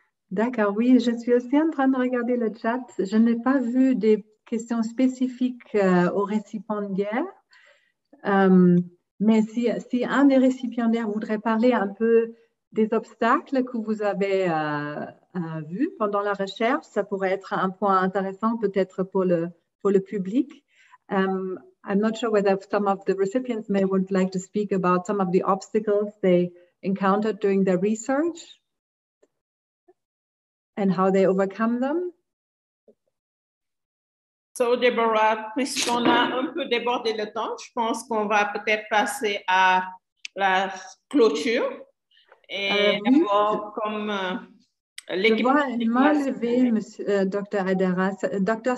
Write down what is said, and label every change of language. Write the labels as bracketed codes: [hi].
[fr] D'accord, oui, je suis aussi en train de regarder le chat. Je n'ai pas vu des questions spécifiques aux récipiendaires, mais si un des récipiendaires voudrait parler un peu des obstacles que vous avez vus pendant la recherche, ça pourrait être un point intéressant peut-être pour le public. [en] I'm not sure whether some of the recipients may would like to speak about some of the obstacles they encountered during their research. And how they overcome them? [fr] So, Deborah, puisqu'on a un peu débordé le temps, je pense qu'on va peut-être passer à la clôture. Et d'abord, comme l'équipe... Je vois, m'a levé, Dr. Adara. Dr.